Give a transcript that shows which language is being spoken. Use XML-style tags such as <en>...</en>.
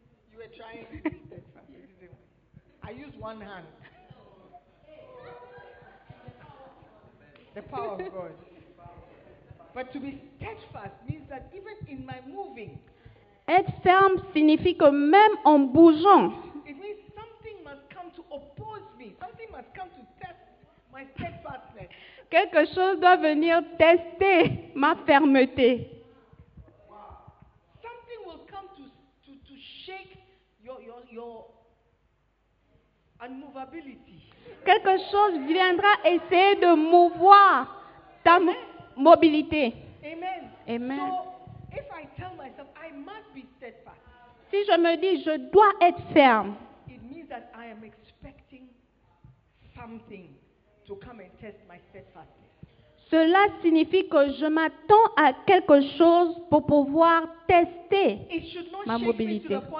<en>You were trying to be steadfast. I use one hand. The power of God. But to be steadfast means that even in my moving.</en> <fr>Être ferme signifie que même en bougeant.</fr> <en>It means something must come to oppose me. Something must come to test my steadfastness.</en> <fr>Quelque chose doit venir tester ma fermeté.</fr> <en>Wow. Something will come to shake your unmovability.</en> <fr>Quelque chose viendra essayer de mouvoir ta mobilité. Amen. Amen.</fr> <en>So, if I tell myself I must be steadfast.</en> <fr>Si je me dis je dois être ferme,</fr> <en>it means that I am expecting something to come and test my steadfastness.</en> <fr>Cela signifie que je m'attends à quelque chose pour pouvoir tester ma mobilité.</fr>